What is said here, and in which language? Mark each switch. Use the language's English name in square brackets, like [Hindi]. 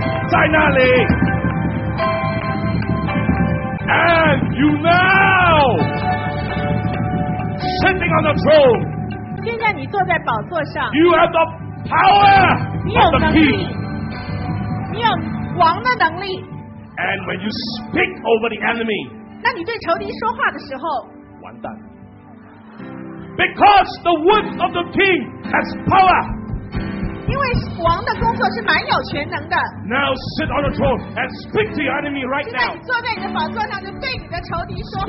[Chinese] 在那里， [English] and you now sitting on the throne. [Chinese] 现在你坐在宝座上， [English] you have the power of the king. [Chinese] 你有王的能力。 [English] And when you speak over the enemy, [Chinese] 那你对仇敌说话的时候，完蛋。 [English] Because the word of the king has power. [Chinese] 因为王的工作是蛮有权能的。 [English] Now sit on the throne and speak to your enemy right now. [Chinese] 现在你坐在你的宝座上，就对你的仇敌说话。